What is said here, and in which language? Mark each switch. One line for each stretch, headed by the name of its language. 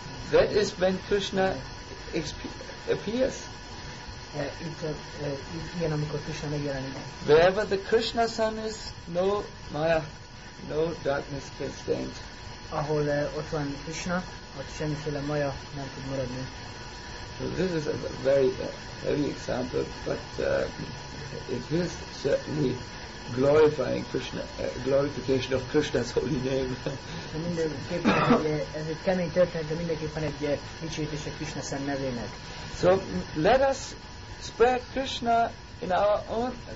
English: That is when Krishna appears.
Hungarian: Itt ilyen, amikor Krishna megjelenik.
English: Wherever the Krishna sun is, no maya. no darkness can stand.
Hungarian: Ahol ott van Krishna, ott semmiféle maja nem tud maradni.
English: So this is a very heavy example, but it is certainly glorifying Krishna, glorification of Krishna's holy name.
Hungarian: Mindenképpen ez egy kemény történet, de mindenképpen egy dicsőítés a Krishna szent nevének.
English: So let us spread Krishna in our own.